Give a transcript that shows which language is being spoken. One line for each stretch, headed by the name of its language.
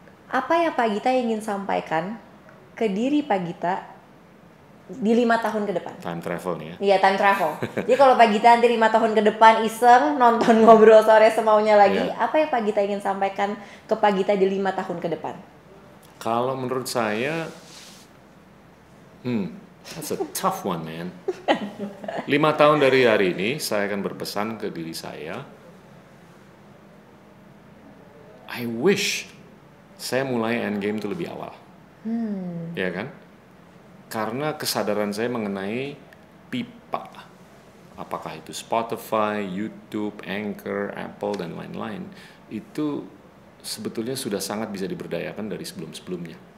Indonesian: Apa yang Pak Gita ingin sampaikan ke diri Pak Gita di 5 tahun ke depan? Time travel nih ya? Iya, time travel. Jadi kalau Pak Gita nanti 5 tahun ke depan iseng, nonton Ngobrol Sore semaunya lagi, apa yang Pak Gita ingin sampaikan ke Pak Gita di 5 tahun ke depan? Kalau menurut saya,
English: that's a tough one, man.
Indonesian: 5 tahun dari hari ini, saya akan berpesan ke diri saya,
English: I wish
Indonesian: saya mulai endgame itu lebih awal. Ya kan? Karena kesadaran saya mengenai pipa, apakah itu Spotify, YouTube, Anchor, Apple, dan lain-lain, itu sebetulnya sudah sangat bisa diberdayakan dari sebelum-sebelumnya.